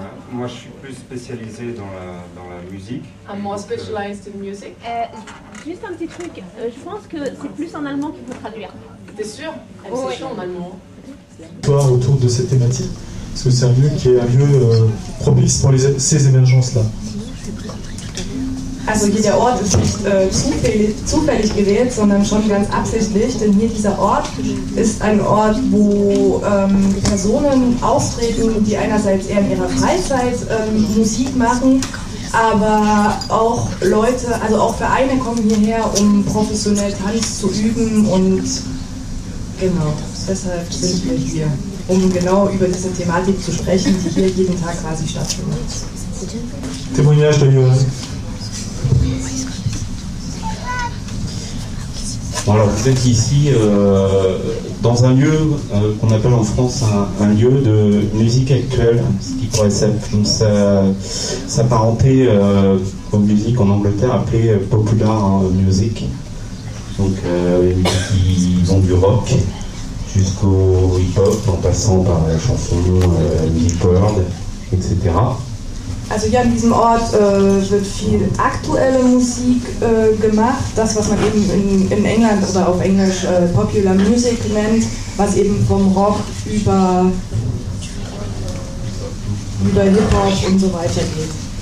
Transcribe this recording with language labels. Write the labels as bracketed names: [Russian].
[French] Moi, je suis plus spécialisé dans la musique. [English] I'm more specialized in music. [French] Juste un petit truc, je pense que c'est plus en allemand qu'il faut traduire. T'es sûr? Oh, c'est sûr en allemand. Voir autour de cette thématique, parce que c'est un lieu qui est un lieu propice pour ces émergences-là. [German] Also hier der Ort ist nicht zufällig gewählt, sondern schon ganz absichtlich, denn hier dieser Ort ist ein Ort, wo Personen auftreten, die einerseits eher in ihrer Freizeit Musik machen, aber auch Leute, also auch Vereine kommen hierher, um professionell Tanz zu üben und genau, deshalb sind wir hier, um genau über diese Thematik zu sprechen, die hier jeden Tag quasi stattfindet. [French] Témoignage de Johan. Bon alors vous êtes ici dans un lieu qu'on appelle en France un lieu de musique actuelle, ce qui pourrait s'apparenter aux musiques en Angleterre appelées popular music, donc qui vont du rock jusqu'au hip-hop en passant par la chanson, musique world, etc. [German] Also hier an diesem Ort wird viel aktuelle Musik gemacht, das was man eben in England oder auf Englisch Popular Music nennt, was eben vom Rock über Hip-Hop und so weiter geht.